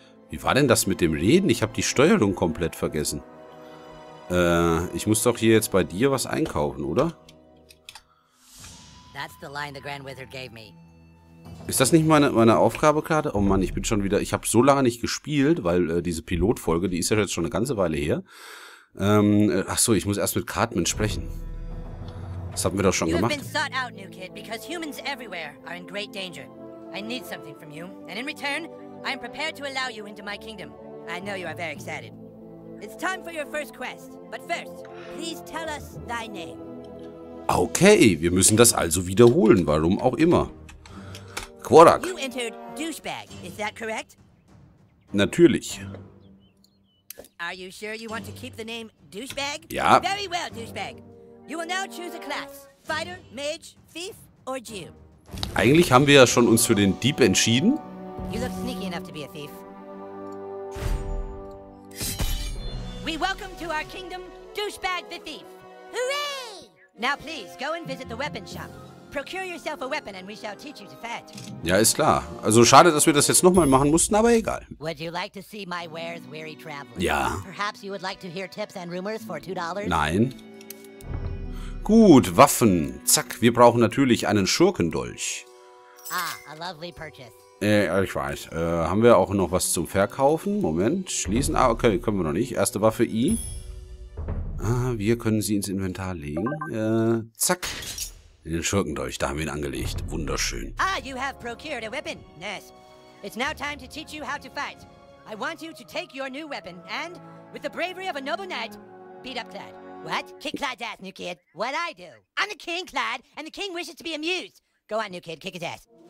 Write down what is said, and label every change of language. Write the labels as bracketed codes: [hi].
[de] Wie war denn das mit dem Reden? Ich habe die Steuerung komplett vergessen. Ich muss doch hier jetzt bei dir was einkaufen, oder? [en] That's the line the Grand Wizard gave me. [de] Ist das nicht meine Aufgabe gerade? Oh Mann, ich habe so lange nicht gespielt, weil diese Pilotfolge, die ist ja jetzt schon eine ganze Weile her. Achso, ich muss erst mit Cartman sprechen. Das haben wir doch schon gemacht. [en] You've been sought out, new kid, because humans everywhere are in great danger. I need something from you, and in return, I am prepared to allow you into my kingdom. I know you are very excited. It's time for your first quest, but first, please tell us thy name. [de] Okay, wir müssen das also wiederholen, warum auch immer. [en] Quarak. You entered Douchebag, is that correct? [de] Natürlich. [en] Are you sure you want to keep the name Douchebag? [de] Ja. [en] Very well, Douchebag. You will now choose a class. Fighter, Mage, Thief or Jew. [de] Eigentlich haben wir ja schon uns für den Dieb entschieden. [en] You look sneaky enough to be a thief. We welcome to our kingdom, Douchebag the Thief. Hooray! Now please, go and visit the weapon shop. Procure yourself a weapon and we shall teach you to fight. [de] Ja, ist klar. Also schade, dass wir das jetzt nochmal machen mussten, aber egal. [en] Would you like to see my wares weary traveling? [de] Ja. [en] Perhaps you would like to hear tips and rumors for $2? [de] Nein. Gut, Waffen. Zack, wir brauchen natürlich einen Schurkendolch. [en] Ah, a lovely purchase. [de] Ich weiß. Haben wir auch noch was zum Verkaufen? Moment, schließen. Ah, okay, können wir noch nicht. Erste Waffe I. Ah, wir können sie ins Inventar legen. Zack. In den Schurkendolch, da haben wir ihn angelegt. Wunderschön. [en] Ah, you have procured a weapon. Yes. It's now time to teach you how to fight. I want you to take your new weapon and, with the bravery of a noble knight, beat up Clyde. What? Kick Clyde's ass, new kid. What I do? I'm the king, Clyde, and the king wishes to be amused. Go on, new kid, kick his ass.